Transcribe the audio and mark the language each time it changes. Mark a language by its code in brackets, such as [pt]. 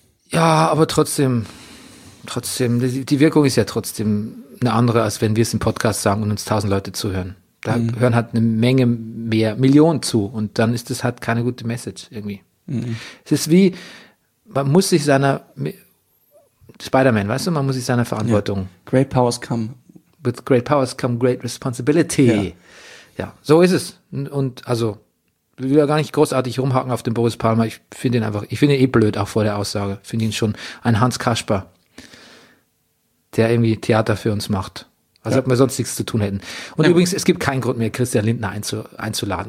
[de] Ja, aber trotzdem, die Wirkung ist ja trotzdem eine andere, als wenn wir es im Podcast sagen und uns 1000 Leute zuhören. Da hören halt eine Menge mehr, Millionen zu und dann ist das halt keine gute Message irgendwie. Mhm. Es ist wie, man muss sich seiner, Spider-Man, weißt du, man muss sich seiner Verantwortung. [en] Yeah. Great powers come. With great powers come great responsibility. [de] Ja. Ja, so ist es. Und also, ich will ja gar nicht großartig rumhaken auf den Boris Palmer. Ich finde ihn blöd, auch vor der Aussage. Ich finde ihn schon ein Hans Kasper, der irgendwie Theater für uns macht. Also, ob wir sonst nichts zu tun hätten. Und übrigens, es gibt keinen Grund mehr, Christian Lindner einzuladen.